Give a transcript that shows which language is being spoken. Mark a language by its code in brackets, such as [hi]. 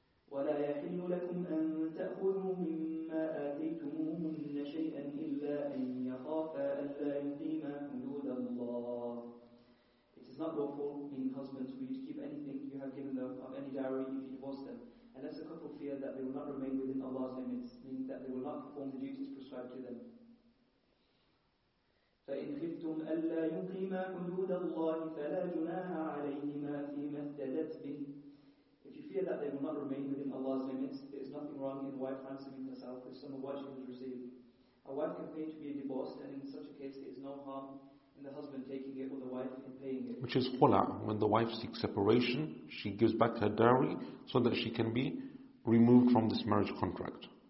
[ar] وَلَا يَحِلُّ لَكُمْ أَن تَأْخُذُوا مِمَّا آتَيْتُمُوهُنَّ شَيْئًا إِلَّا أَن يَخَافَ أَلَّا يُقِيمَا حُدُودَ اللَّهِ. [en] It is not lawful, meaning husbands, for you to keep anything you have given them of any dowry if you divorce them, unless a couple fear that they will not remain within Allah's limits, meaning that they will not perform the duties prescribed to them. [ar] فإن خفتم ألا يقيما حدود الله فلا جناح عليهما فيما افتدت به. [en] If you fear that they will not remain within Allah's limits, there is nothing wrong in a wife ransoming herself if some of what she has received. A wife can pay to be divorced, and in such a case there is no harm in the husband taking it or the wife in paying it. Which is khula. When the wife seeks separation, she gives back her dowry so that she can be removed from this marriage contract.